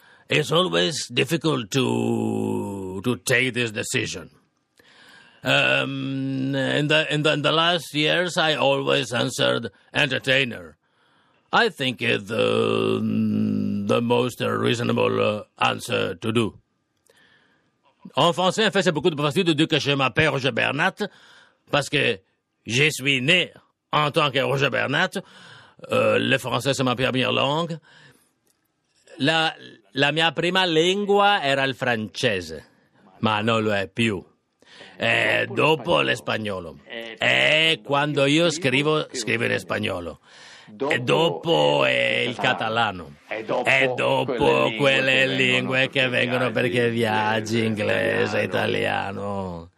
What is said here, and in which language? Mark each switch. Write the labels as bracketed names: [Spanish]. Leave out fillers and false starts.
[English] It's always difficult to take this decision. In the last years, I always answered entertainer. I think it's the most reasonable answer to do. [French] En français, en fait, c'est beaucoup de fastidieux de dire que je m'appelle Roger Bernat, parce que je suis né en tant que Roger Bernat. Le français, c'est ma première langue. [Italian] La mia prima lingua era il francese, ma non lo è più. Dopo l'espagnolo. E quando io scrivo in spagnolo. E dopo è il catalano. E dopo quelle lingue che vengono perché viaggi, inglese, italiano.